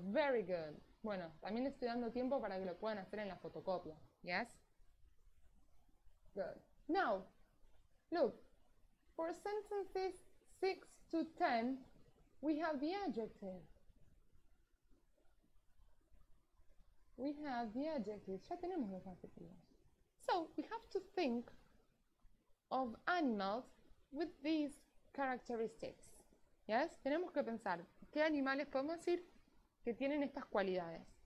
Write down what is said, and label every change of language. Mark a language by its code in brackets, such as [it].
[en] Very good. [es] Bueno, también estoy dando tiempo para que lo puedan hacer en la fotocopia. Yes? [en] Good. Now, look, for sentences 6 to 10, we have the adjective. We have the adjective. [es] Ya tenemos los adjetivos. [en] So, we have to think of animals with these characteristics. Yes? [es] Tenemos que pensar, ¿qué animales podemos decir que tienen estas cualidades?